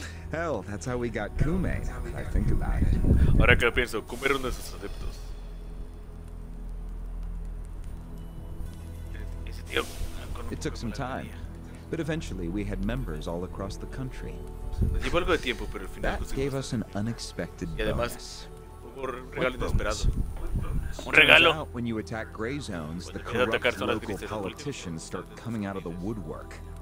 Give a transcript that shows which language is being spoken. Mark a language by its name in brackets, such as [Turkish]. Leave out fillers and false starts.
[English] Hell, that's how we got Kume, now that I think about it. [Spanish] Ahora que pienso, Kume era uno de sus adeptos. [English] It took some time, but eventually we had members all across the country. That gave us an unexpected bonus. [Spanish] Un regalo. [English] When you attack gray zones, the corrupt local politicians start coming out of the woodwork.